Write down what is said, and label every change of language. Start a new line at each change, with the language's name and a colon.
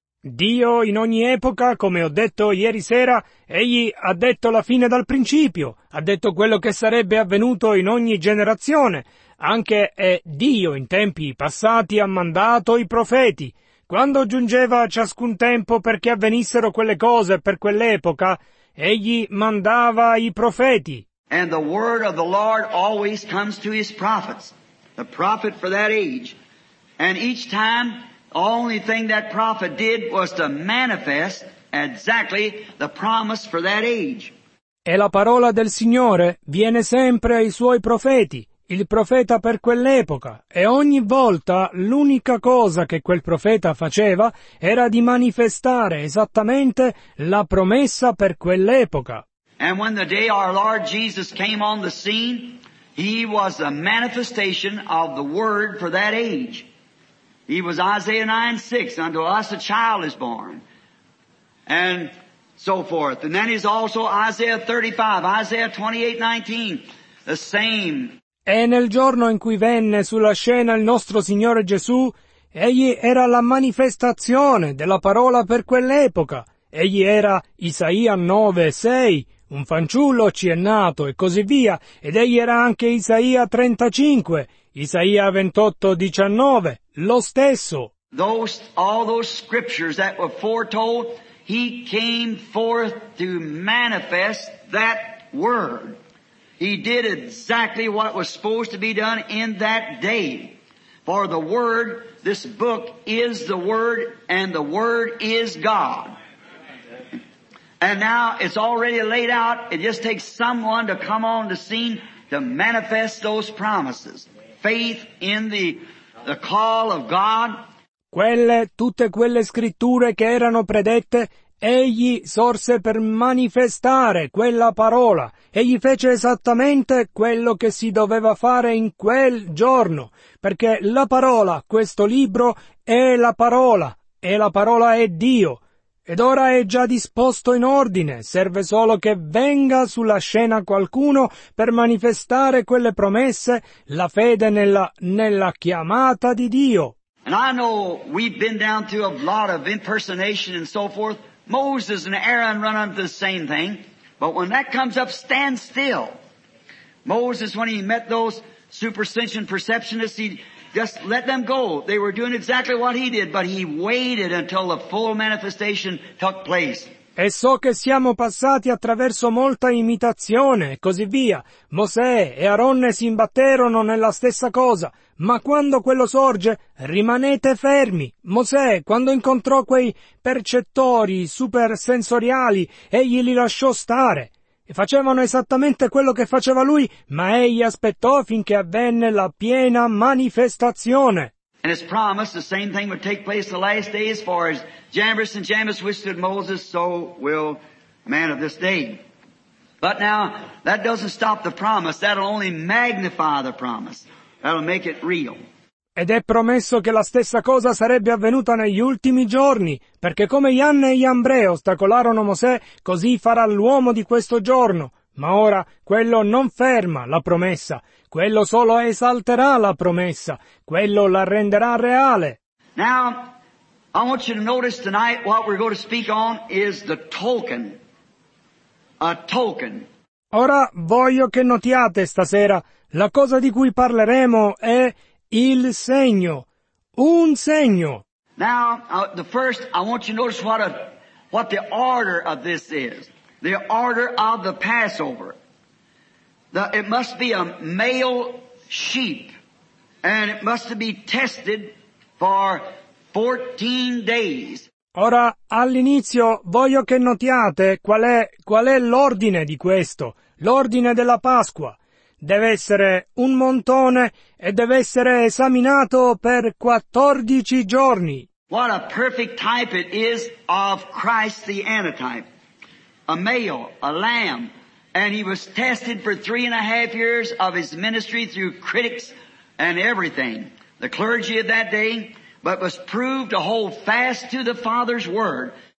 Italian: Dio in ogni epoca, come ho detto ieri sera, Egli ha detto la fine dal principio, ha detto quello che sarebbe avvenuto in ogni generazione. Anche Dio in tempi passati ha mandato i profeti. Quando giungeva ciascun tempo perché avvenissero quelle cose per quell'epoca, Egli mandava i profeti.
English: And the word of the Lord always comes to His prophets, the prophet for that age. And each time, the only thing that prophet did was to manifest exactly the promise for that age.
Italian: E la parola del Signore viene sempre ai Suoi profeti, il profeta per quell'epoca. E ogni volta l'unica cosa che quel profeta faceva era di manifestare esattamente la promessa per quell'epoca.
English: And when the day our Lord Jesus came on the scene, He was the manifestation of the Word for that age. He was Isaiah 9:6, unto us a child is born. And so forth. And then He's also Isaiah 35, Isaiah 28:19, the same.
Italian: E nel giorno in cui venne sulla scena il nostro Signore Gesù, Egli era la manifestazione della parola per quell'epoca. Egli era Isaia 9:6, un fanciullo ci è nato, e così via. Ed Egli era anche Isaia 35, Isaia 28:19, lo stesso.
English: All those scriptures that were foretold, He came forth to manifest that word. He did exactly what was supposed to be done in that day. For the Word, this book, is the Word, and the Word is God. And now it's already laid out. It just takes someone to come on the scene to manifest those promises. Faith in the call of God.
Italian: Tutte quelle scritture che erano predette, Egli sorse per manifestare quella parola. Egli fece esattamente quello che si doveva fare in quel giorno, perché la parola, questo libro, è la parola, e la parola è Dio. Ed ora è già disposto in ordine, serve solo che venga sulla scena qualcuno per manifestare quelle promesse, la fede nella chiamata di Dio.
English: And I know we've been down to a lot of impersonation and so forth. Moses and Aaron run into the same thing. But when that comes up, stand still. Moses, when he met those superstition perceptionists, he just let them go. They were doing exactly what he did, but he waited until the full manifestation took place.
Italian: E so che siamo passati attraverso molta imitazione, e così via. Mosè e Aronne si imbatterono nella stessa cosa. Ma quando quello sorge, rimanete fermi. Mosè, quando incontrò quei percettori supersensoriali, egli li lasciò stare. e facevano esattamente quello che faceva lui, ma egli aspettò finché avvenne la piena manifestazione.
English: And it's promised the same thing would take place in the last days, for as Jambres and Jambres withstood Moses, so will man of this day. But now, that doesn't stop the promise, that'll only magnify the promise, that'll make it real.
Italian: Ed è promesso che la stessa cosa sarebbe avvenuta negli ultimi giorni, perché come Ianne e Iambre ostacolarono Mosè, così farà l'uomo di questo giorno. Ma ora, quello non ferma la promessa, quello solo esalterà la promessa, quello la renderà reale.
English: Now, I want you to notice tonight what we're going to speak on is the token. A token.
Italian: Ora voglio che notiate stasera, la cosa di cui parleremo è il segno, un segno.
English: Now, the first, I want you to notice what the order of this is. The order of the Passover. It must be a male sheep, and it must be tested for 14 days.
Italian: Ora, all'inizio, voglio che notiate qual è l'ordine di questo, l'ordine della Pasqua. Deve essere un montone e deve essere esaminato per 14 giorni.
English: What a perfect type it is of Christ the antitype. A male, a lamb, and he was tested for 3.5 years of his ministry through critics and everything. The clergy of that day, but was proved to hold fast to the Father's word.